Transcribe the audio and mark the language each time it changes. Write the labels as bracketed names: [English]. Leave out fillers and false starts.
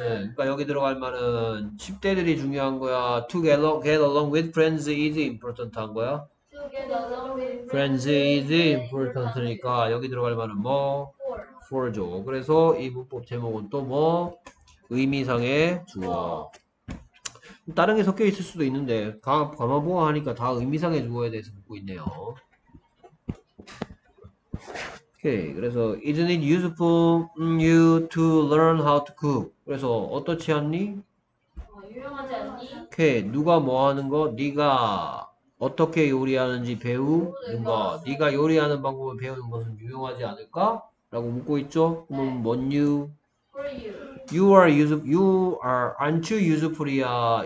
[Korean] 그러니까 여기 들어갈 말은 10대들이 중요한 거야. [English] Get along with friends is important [Korean] 한 거야? [English] Friends is important [Korean] 니까 여기 들어갈 말은 뭐? For죠. 그래서 이 문법 제목은 또 뭐? 의미상의 주어. 다른 게 섞여 있을 수도 있는데 다 가마보호 하니까 다 의미상의 주어에 대해서 묻고 있네요. 오케이. 그래서 [English] isn't it useful you to learn how to cook? [Korean] 그래서 어떻지 않니? 유용하지 오케이. 누가 뭐 하는 거? 네가 어떻게 요리하는지 배우는 거. 네가 요리하는 방법을 배우는 것은 유용하지 않을까?라고 묻고 있죠. 그럼 뭔 유? [English] You are useful, you are, aren't you useful이야?